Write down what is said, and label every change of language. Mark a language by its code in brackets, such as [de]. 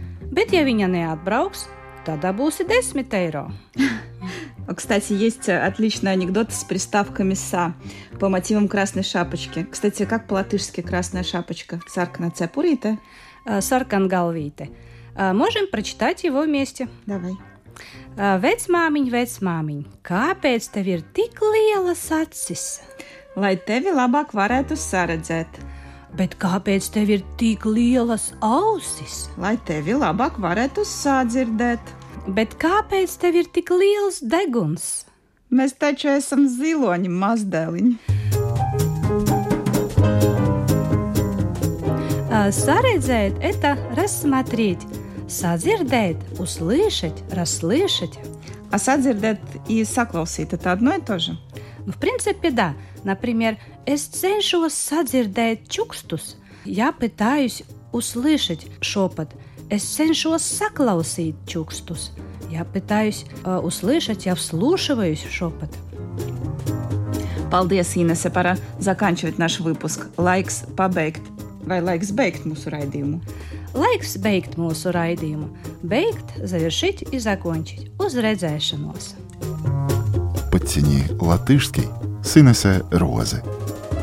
[lv] «Бет я виня не отбраукс», [ru] тогда бусы 10 евро. Кстати, есть отличный анекдот с приставками «са» по мотивам «красной шапочки». Кстати, как по-латышски «красная шапочка»? [lv] «Саркана цепурите»? «Саркан галвите». [ru] Можем прочитать его вместе. Давай. [lv] «Vecmāmiņ, vecmāmiņ, kāpēc tev ir tik lielas acis?» «Lai tevi labāk varētu saredzēt». «Bet kāpēc tev ir tik lielas ausis?» «Lai tevi labāk varētu sadzirdēt». «Bet kāpēc tev ir tik liels deguns?» «Mēs taču esam ziloņi, mazdēliņi». [ru] Saredzēt – это рассмотреть. Sadzirdēt – услышать, расслышать. А sadzirdēt и saklausīt – это одно и то же? Ну, в принципе, да. Например, [lv] «Es cenšos sadzirdēt čukstus». [ru] Я пытаюсь услышать шепот. [lv] «Es cenšos saklausīt čukstus». [ru] Я пытаюсь услышать, я вслушиваюсь шепот. [lv] Paldies, [ru] Inese, пора заканчивать наш выпуск. [lv] Laiks pabeigt. Vai laiks beigt mūsu raidījumu? Laiks beigt mūsu raidījumu. [ru] Beigt, завершить и закончить. [lv] Uz redzēšanos. [ru] Подцени латышский с Инессой Розой.